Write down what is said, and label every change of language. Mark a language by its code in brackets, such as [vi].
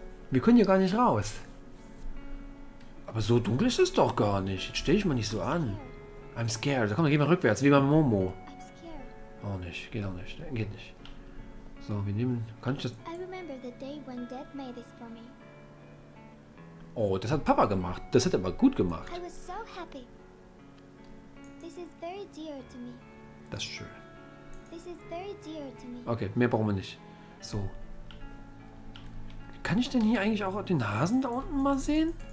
[de] Wir können hier gar nicht raus. Aber so dunkel ist es doch gar nicht. Jetzt stell dich mal nicht so an. [en] I'm scared. [de] Komm, dann geh mal rückwärts, wie bei Momo. Auch nicht. Geht auch nicht. Geht nicht. So, wir nehmen. Kann ich das. [en] I remember the day when Dad made this for me. [de] Oh, das hat Papa gemacht. Das hat er aber gut gemacht. [en] I was so happy. This is very dear to me. [de] Das ist schön. [en] This is very dear to me. [de] Okay, mehr brauchen wir nicht. So. Kann ich denn hier eigentlich auch den Hasen da unten mal sehen?